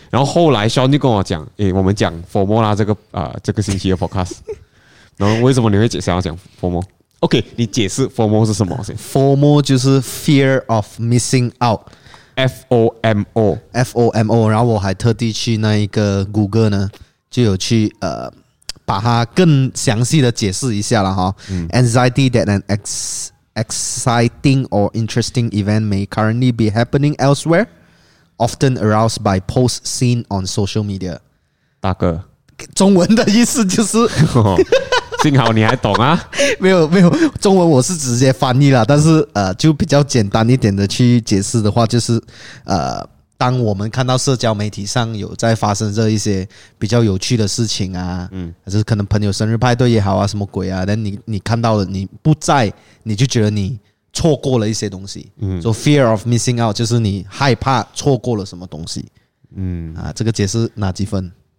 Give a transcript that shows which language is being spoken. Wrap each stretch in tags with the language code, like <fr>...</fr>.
<zh>然后后来 Sean 就跟我讲，哎，我们讲 formal 啦，这个星期的 podcast， 然后为什么你会想要讲 formal？ OK， 你解释 FOMO 是什么</zh> <en>？FOMO</en> <zh>就是</zh> <en>Fear of Missing Out， FOMO。</en> <zh>然后我还特地去那一个 Google 呢，就有去把它更详细的解释一下了哈。</zh> <en>Anxiety that an exciting or interesting event may currently be happening elsewhere, often aroused by posts seen on social media。</en> <zh>大哥，中文的意思就是。幸好你还懂啊没有没有中文我是直接翻译啦但是就比较简单一点的去解释的话就是当我们看到社交媒体上有在发生这一些比较有趣的事情啊还是可能朋友生日派对也好啊什么鬼啊但你看到了你不在你就觉得你错过了一些东西</zh> <en>so fear of missing out</en> <zh>就是你害怕错过了什么东西这个解释哪几分</zh>